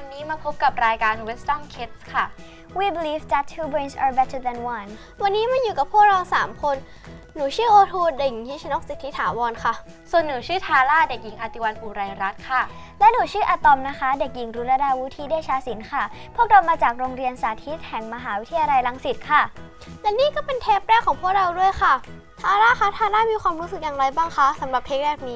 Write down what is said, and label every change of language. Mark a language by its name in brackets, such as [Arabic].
[Thai] มาพบกับรายการ Wisdom Kids ค่ะ [English] We believe that two brains are better than one [Thai] วันนี้มาอยู่กับพวกเรา3คนหนูชื่อโอทูเด็กหญิงทิชนกสิทธิถาวรค่ะ ส่วนหนูชื่อทาร่าเด็กหญิงอติวันอุไรรัตน์ค่ะ และหนูชื่ออะตอมนะคะเด็กหญิงรุรดาวุฒิเดชาสินค่ะพวกเรามาจากโรงเรียนสาธิตแห่งมหาวิทยาลัยรังสิตค่ะ และนี่ก็เป็นเทปแรกของพวกเราด้วยค่ะทาร่าคะทาร่ามีความรู้สึกอย่างไรบ้างคะสำหรับเทปแรกนี